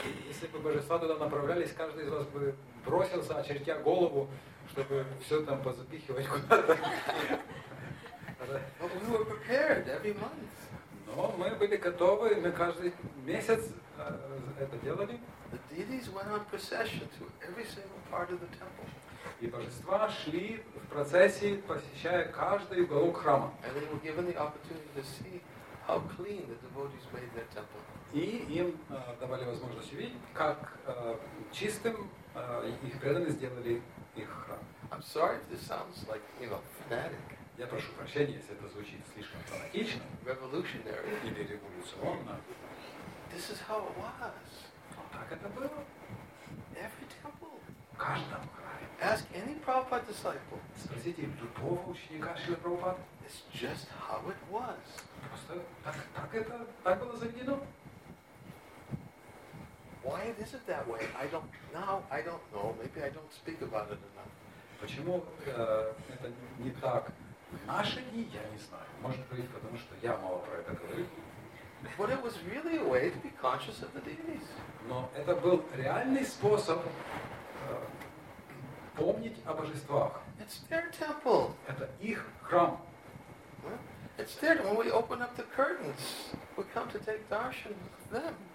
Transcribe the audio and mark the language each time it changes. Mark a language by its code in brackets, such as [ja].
[ru] Если бы божества туда направлялись, каждый из вас бы бросился, очертя голову, чтобы все там позапихивать куда-то. [en] But we were prepared every month. [ru] Но мы были готовы, мы каждый месяц это делали. [en] The deities went on procession to every single part of the temple. [ru] И божества шли в процессии, посещая каждый уголок храма. [en] And they were given the opportunity to see how clean the devotees made their temple. [ru] И им давали возможность увидеть, как чистым их преданные сделали их храм. [en] I'm sorry if this sounds like, you know, fanatic. [ru] Я прошу прощения, если это звучит слишком фанатично. [en] Revolutionary. [ru] Или революционно. [en] This is how it was. [ru] Так это было. [en] Every temple. [ru] В каждом храме. [en] Ask any Prabhupada disciple. [ru] Спросите любого ученика Шрилы Прабхупады. [en] It's just how it was. [ru] Просто так это, так было заведено. [en] Why is it that way? I don't know. Maybe I don't speak about it enough. [ru] Почему это не так? В наши дни я не знаю. Может быть, потому что я мало про это говорю. [en] But it was really a way to be conscious of the deities. [ru] Но это был реальный способ помнить о божествах. [en] It's their temple. [ru] Это их храм. [en] It's there when we open up the curtains. We come to take darshan of them.